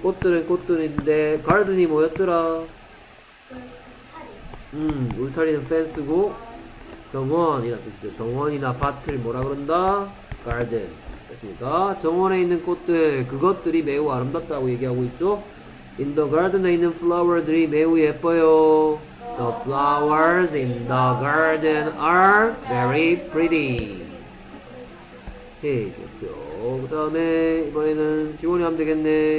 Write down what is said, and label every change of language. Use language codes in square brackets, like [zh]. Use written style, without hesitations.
[ko] 꽃들은 꽃들인데 garden이 뭐였더라? 울타리는 펜스고 정원이란 뜻이죠. 정원이나 밭을 뭐라 그런다? 가든. 됐습니까? 정원에 있는 꽃들, 그것들이 매우 아름답다고 얘기하고 있죠. [en] In the garden [ko] 에 있는 flower들이 매우 예뻐요. [en] The flowers in the garden are very pretty. [ko] 오케이, 좋고요. 그 다음에 이번에는 직원이 하면 되겠네.